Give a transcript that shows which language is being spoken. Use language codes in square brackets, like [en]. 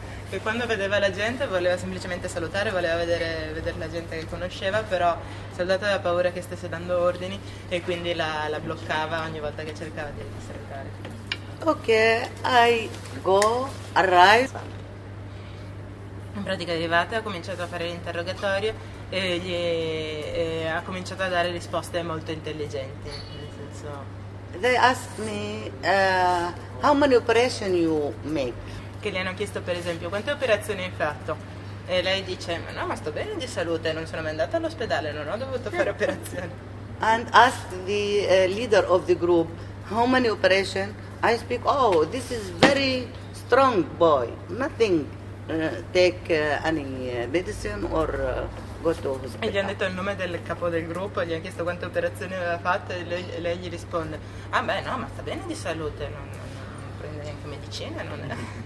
[it] Che quando vedeva la gente voleva semplicemente salutare, voleva vedere la gente che conosceva, però il soldato aveva paura che stesse dando ordini e quindi la bloccava ogni volta che cercava di cercare. [en] Ok, I go, arrive. [it] In pratica è arrivata, ha cominciato a fare l'interrogatorio e ha cominciato a dare risposte molto intelligenti, nel senso. [en] They ask me how many operations you make? [it] Che le hanno chiesto per esempio quante operazioni hai fatto e lei dice no ma sto bene di salute, non sono mai andata all'ospedale, non ho dovuto fare operazioni. [en] And asked the leader of the group how many operations I speak. Oh, this is very strong boy, nothing take any medicine or go to hospital. [it] E gli hanno detto il nome del capo del gruppo, gli ha chiesto quante operazioni aveva fatto e lei gli risponde ah beh no ma sta bene di salute, non prende neanche medicina, non è.